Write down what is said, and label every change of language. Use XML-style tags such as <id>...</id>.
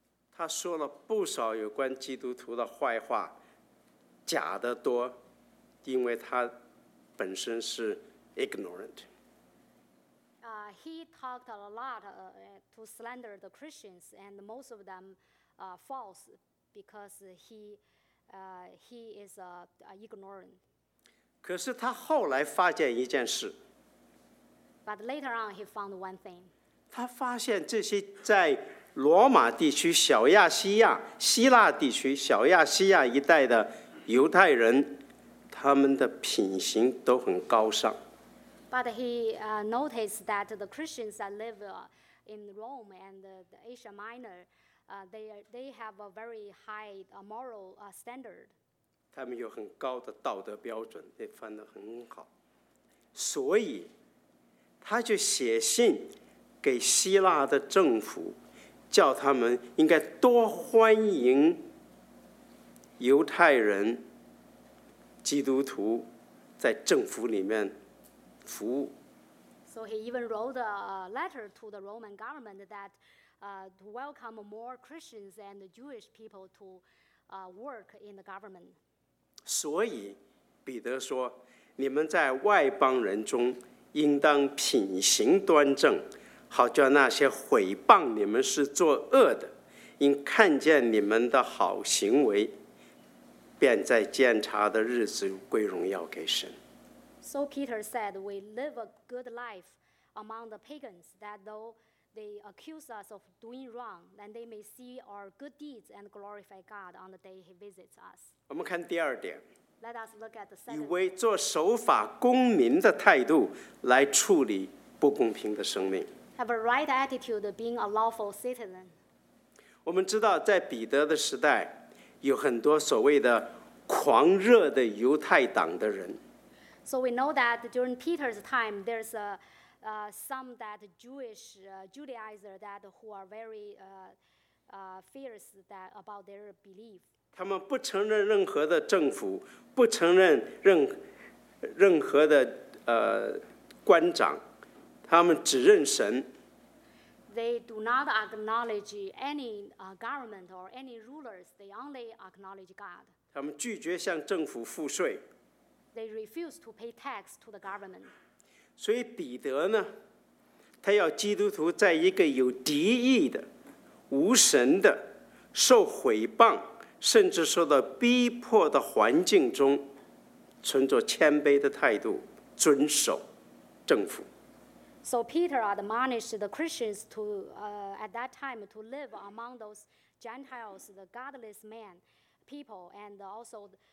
<zh>他说了不少有关基督徒的坏话，假的多，因为他本身是 ignorant.</zh> <en>He talked a lot to slander the Christians, and most of them false. Because he is ignorant.</en> <zh>可是他后来发现一件事。</zh> <en>But later on, he found one thing.</en> <zh>他发现这些在罗马地区、小亚细亚、希腊地区、小亚细亚一带的犹太人，他们的品行都很高尚。</zh> <en>But he noticed that the Christians that live in Rome and the Asia Minor. They have a very high moral standard.</en> <zh>他们有很高的道德标准，也翻得很好。所以，他就写信给希腊的政府，叫他们应该多欢迎犹太人、基督徒在政府里面服务。</zh> <en>So he even wrote a letter to the Roman government that. To welcome more Christians and Jewish people to work in the government.</en> <zh>所以彼得说，你们在外邦人中应当品行端正，好叫那些毁谤你们是作恶的，因看见你们的好行为，便在监察的日子归荣耀给神。</zh> <en>So Peter said, we live a good life among the pagans, that though. They accuse us of doing wrong, then they may see our good deeds and glorify God on the day He visits us.</en> <zh>我们看第二点。</zh> <en>Let us look at the second.</en> <zh>以为做守法公民的态度来处理不公平的生命。</zh> <en>Have a right attitude of being a lawful citizen.</en> <zh>我们知道，在彼得的时代，有很多所谓的狂热的犹太党的人。</zh> <en>So we know that during Peter's time, there's a some that Jewish Judaizer that who are very fierce that about their belief.</en> <zh>他们不承认任何的政府，不承认任何的官长，他们只认神。</zh> <en>They do not acknowledge any government or any rulers. They only acknowledge God.</en> <zh>他们拒绝向政府付税。</zh> <en>They refuse to pay tax to the government.</en> <zh>所以彼得呢，他要基督徒在一个有敌意的、无神的、受毁谤，甚至受到逼迫的环境中，存着谦卑的态度，遵守政府。</zh> <en>So Peter admonished the Christians to, at that time, to live among those Gentiles, the godless men, people, and also.</en>